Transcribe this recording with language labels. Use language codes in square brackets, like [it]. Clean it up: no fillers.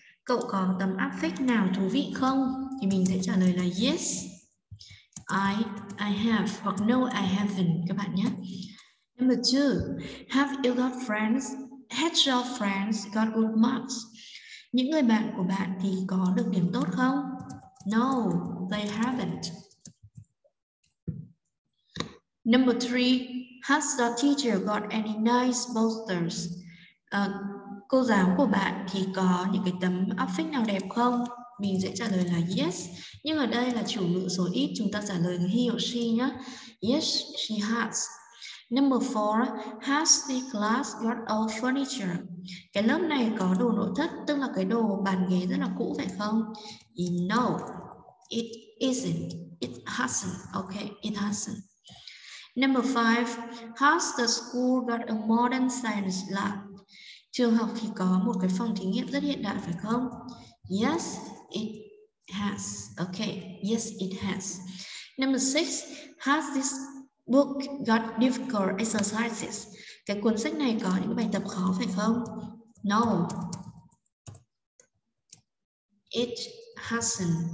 [vi] Cậu có tấm áp phích nào thú vị không? Thì mình sẽ trả lời là [en] yes, I have, [vi] hoặc [en] no, I haven't, [vi] các bạn nhé. [en] Number 2, have you got friends? Has your friends got good marks? [vi] Những người bạn của bạn thì có được điểm tốt không? [en] No, they haven't. Number 3, has your teacher got any nice posters? [vi] Cô giáo của bạn thì có những cái tấm affix nào đẹp không? Mình sẽ trả lời là yes. Nhưng ở đây là chủ ngữ số ít, chúng ta trả lời [en] he or she [vi] nhé. [en] Yes, she has. Number 4, has the class got all furniture? [vi] Cái lớp này có đồ nội thất, tức là cái đồ bàn ghế rất là cũ phải không? [en] No, it isn't. It hasn't. Okay, it hasn't. Number 5, has the school got a modern science lab? [vi] Trường học thì có một cái phòng thí nghiệm rất hiện đại phải không? [en] Yes, it has. Okay, yes, it has. Number 6, has this book got difficult exercises? [vi] Cái cuốn sách này có những bài tập khó phải không? [en] No, it hasn't.